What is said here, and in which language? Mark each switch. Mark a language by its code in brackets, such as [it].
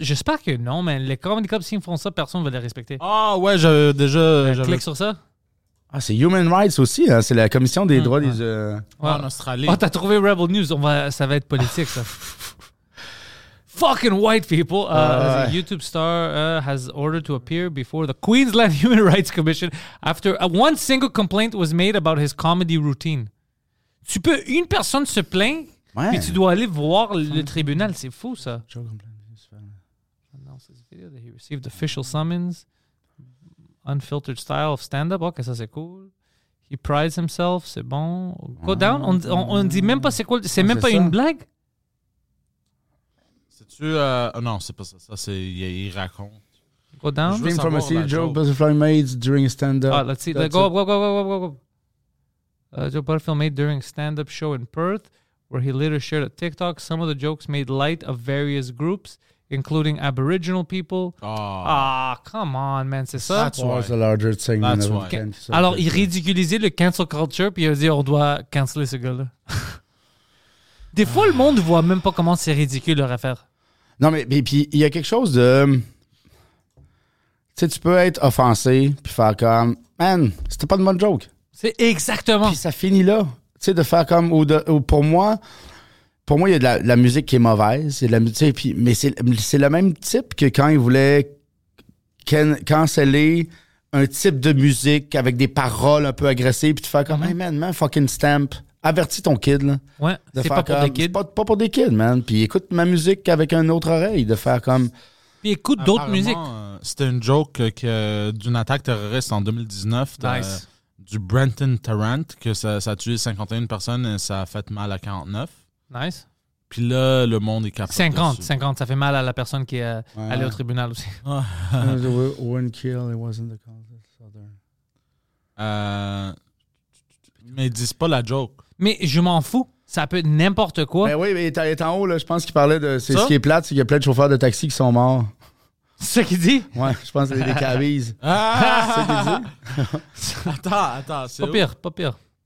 [fr] J'espère que non, mais les Comedy Club, s'ils font ça, personne ne va les respecter. Ah ouais, j'avais déjà... Clique sur ça. Ah, c'est Human Rights aussi, hein? C'est la commission des droits des... Ouais. En Australie. Oh, t'as trouvé Rebel News, ça va être politique, ça. [en] Fucking white people. A YouTube star has ordered to appear before the Queensland Human Rights Commission after one single complaint was made about his comedy routine. [fr] Tu peux... Une personne se plaint... Ouais. Puis tu dois aller voir le tribunal, c'est fou ça. [en] He received official summons, unfiltered style of stand-up. [fr] Ok, ça c'est cool. He prides himself, c'est bon. Go down, on dit même pas c'est quoi, c'est même pas une blague. C'est-tu. Non, c'est pas ça. Ça c'est. Il raconte. [en] Go down. Dream from a seed joke, butterfly made during a stand-up. Ah, let's see. Go. Joe Butterfield made during a stand-up show in Perth. Where he later shared a TikTok. Some of the jokes made light of various groups, including Aboriginal people. Ah, come on, man. C'est ça? That's why. The larger thing. That's why. [fr] Alors, il ridiculisait le cancel culture, puis il a dit, on doit canceler ce gars-là. Des fois, le monde ne voit même pas comment c'est ridicule leur affaire. Non, mais puis il y a quelque chose de... Tu sais, tu peux être offensé, puis faire comme, man, c'était pas une bonne joke. C'est exactement. Puis ça finit là. Tu sais, de faire comme... Ou pour moi, il y a de la musique qui est mauvaise. Et de la, puis, mais c'est le même type que quand il voulait canceller un type de musique avec des paroles un peu agressives. Puis tu fais comme, hey, man, fucking stamp. Avertis ton kid, là. Ouais, de c'est faire pas comme, pour des kids. C'est pas pour des kids, man. Puis écoute ma musique avec une autre oreille. De faire comme... Puis écoute d'autres musiques. C'était une joke d'une attaque terroriste en 2019. [en] Nice. [fr] Du Brenton Tarrant, que ça a tué 51 personnes et ça a fait mal à 49. [en] Nice. [fr] Puis là, le monde est capable 50, dessus. 50, ça fait mal à la personne qui est allée au tribunal aussi. [en] One kill, it wasn't the cause of other. [fr] Mais ils disent pas la joke. Mais je m'en fous. Ça peut être n'importe quoi. Mais oui, mais il est en haut, là. Je pense qu'il parlait de... C'est ce qui est plate, c'est qu'il y a plein de chauffeurs de taxi qui sont morts. C'est ça qu'il dit? Ouais, je pense que c'est des cabises. Ah! C'est ce qu'il dit? Attends, c'est pas où? Pas pire.